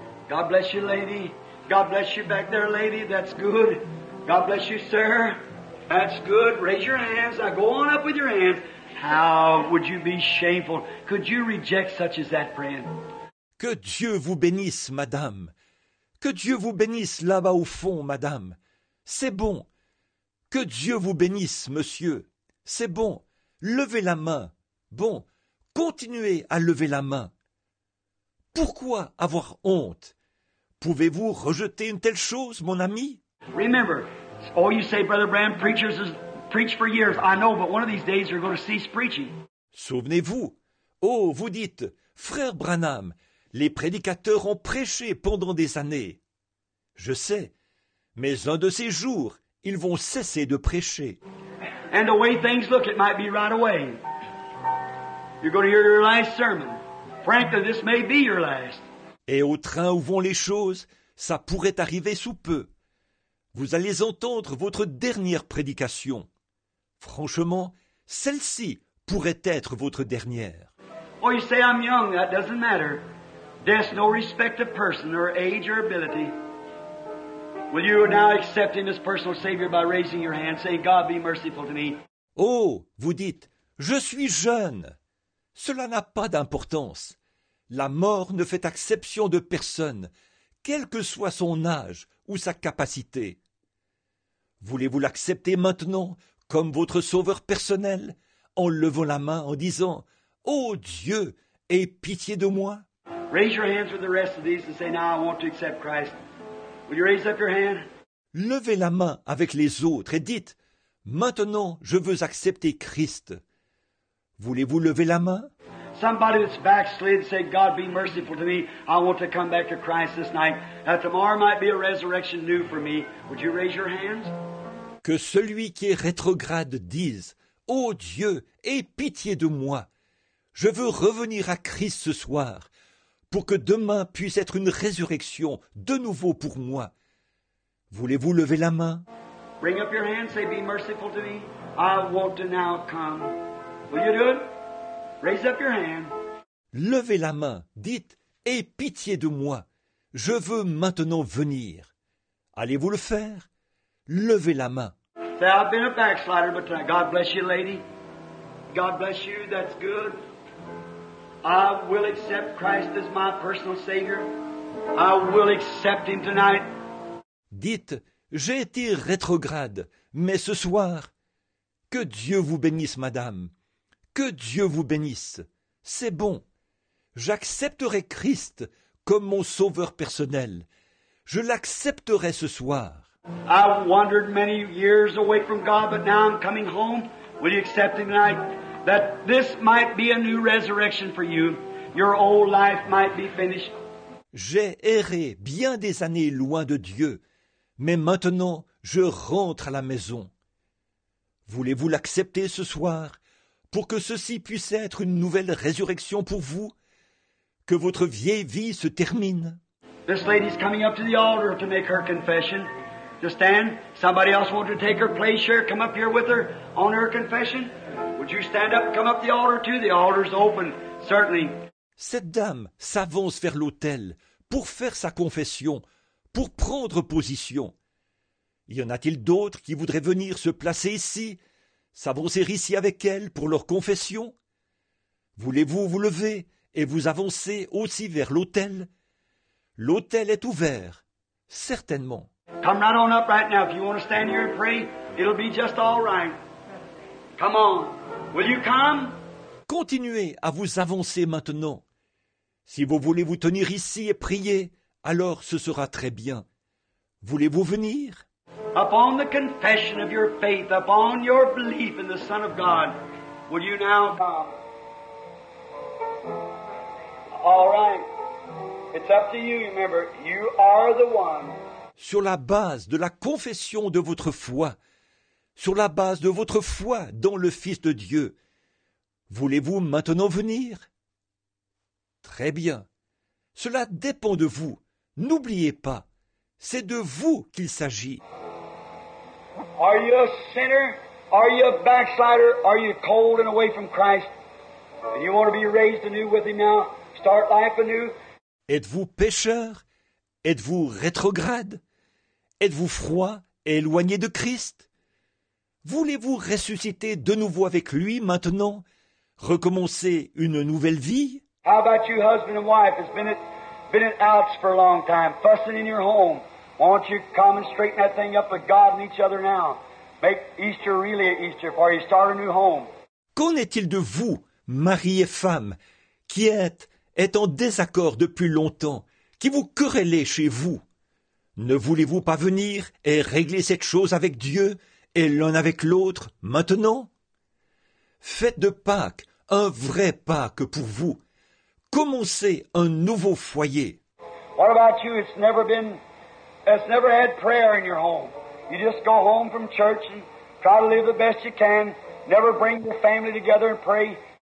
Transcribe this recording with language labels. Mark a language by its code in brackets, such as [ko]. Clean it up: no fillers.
[en] God bless you, lady. God bless you back there, lady. That's good. God bless you, sir. That's good. Raise your hands. Now go on up with your hands. How would you be shameful? Could you reject such as that, friend? [fr] Que Dieu vous bénisse, madame. Que Dieu vous bénisse là-bas au fond, madame. C'est bon. Que Dieu vous bénisse, monsieur. C'est bon. Levez la main. Bon. Continuez à lever la main. Pourquoi avoir honte? Pouvez-vous rejeter une telle chose, mon ami? [en] Remember, all you say, Brother Branham, preachers preach for years. I know, but one of these days you're going to cease preaching. [fr] Souvenez-vous, oh, vous dites, Frère Branham, les prédicateurs ont prêché pendant des années. Je sais, mais un de ces jours, ils vont cesser de prêcher. [en] And the way things look, it might be right away. You're going to hear your last sermon. Frankly, this may be your last. [fr] Et au train où vont les choses, ça pourrait arriver sous peu. Vous allez entendre votre dernière prédication. Franchement, celle-ci pourrait être votre dernière. [en] Oh, you say I'm young, that doesn't matter. Death's no respect of person or age or ability. Will you now accept him as personal savior by raising your hand, saying, God be merciful to me? [fr] Oh, vous dites, je suis jeune. Cela n'a pas d'importance. La mort ne fait exception de personne, quel que soit son âge ou sa capacité. Voulez-vous l'accepter maintenant comme votre sauveur personnel, en levant la main en disant, « Oh Dieu, aie pitié de moi !» [en] Raise your hands with the rest of these and say, now I want to accept Christ. Will you raise up your hand? [fr] Levez la main avec les autres et dites, « Maintenant, je veux accepter Christ. » Voulez-vous lever la main? [en] Somebody that's backslid said, God be merciful to me. I want to come back to Christ this night. Now tomorrow might be a resurrection new for me. Would you raise your hands? [fr] Que celui qui est rétrograde dise, oh Dieu, aie pitié de moi. Je veux revenir à Christ ce soir pour que demain puisse être une résurrection de nouveau pour moi. Voulez-vous lever la main? [en] Bring up your hands, say, be merciful to me. I want to now come. Will you do it? Raise up your hand. [fr] Levez la main, dites, aie pitié de moi. Je veux maintenant venir. Allez-vous le faire? Levez la main. [en] Say, I've been a backslider, but God bless you, lady. God bless you, that's good. I will accept Christ as my personal savior. I will accept him tonight. [fr] Dites, j'ai été rétrograde, mais ce soir, que Dieu vous bénisse, madame. Que Dieu vous bénisse. C'est bon. J'accepterai Christ comme mon sauveur personnel. Je l'accepterai ce soir. [en] I wandered many years away from God, but now I'm coming home. Will you accept him tonight? That this might be a new resurrection for you. Your old life might be finished. [fr] J'ai erré bien des années loin de Dieu, mais maintenant je rentre à la maison. Voulez-vous l'accepter ce soir? Pour que ceci puisse être une nouvelle résurrection pour vous, que votre vieille vie se termine. [en] This lady's coming up to the altar to make her confession. Just stand. Somebody else want to take her place here? Come up here with her on her confession. Would you stand up? Come up the altar too. The altar's open. Certainly. [fr] Cette dame s'avance vers l'autel pour faire sa confession, pour prendre position. Y en a-t-il d'autres qui voudraient venir se placer ici? S'avancer ici avec elles pour leur confession? Voulez-vous vous lever et vous avancer aussi vers l'autel? L'autel est ouvert, certainement. [en] Come right on up right now. If you want to stand here and pray, it'll be just all right. Come on. Will you come? [fr] Continuez à vous avancer maintenant. Si vous voulez vous tenir ici et prier, alors ce sera très bien. Voulez-vous venir? [en] upon the confession of your faith, upon your belief in the Son of God, will you now bow? All right. It's up to you, remember. You are the one. [fr] Sur la base de la confession de votre foi, sur la base de votre foi dans le Fils de Dieu, voulez-vous maintenant venir? Très bien. Cela dépend de vous. N'oubliez pas, c'est de vous qu'il s'agit. [en] Are you a sinner? Are you a backslider? Are you cold and away from Christ? And you want to be raised anew with him now? Start life anew? [fr] Êtes-vous pécheur? Êtes-vous rétrograde? Êtes-vous froid et éloigné de Christ? Voulez-vous ressusciter de nouveau avec lui maintenant? Recommencer une nouvelle vie? [en] How about you, husband and wife? It's been out for a long time, fussing in your home. Won't you come and straighten that thing up with God and each other now? Make Easter really an Easter for you. Start a new home. [fr] Qu'en est-il de vous, mari et femme, qui êtes en désaccord depuis longtemps, qui vous querellez chez vous? Ne voulez-vous pas venir et régler cette chose avec Dieu et l'un avec l'autre maintenant? Faites de Pâques un vrai Pâques pour vous. Commencez un nouveau foyer. [en] What about you? It's never had prayer in your home. You just go home from church and try to live the best you can. Never bring your family together and pray.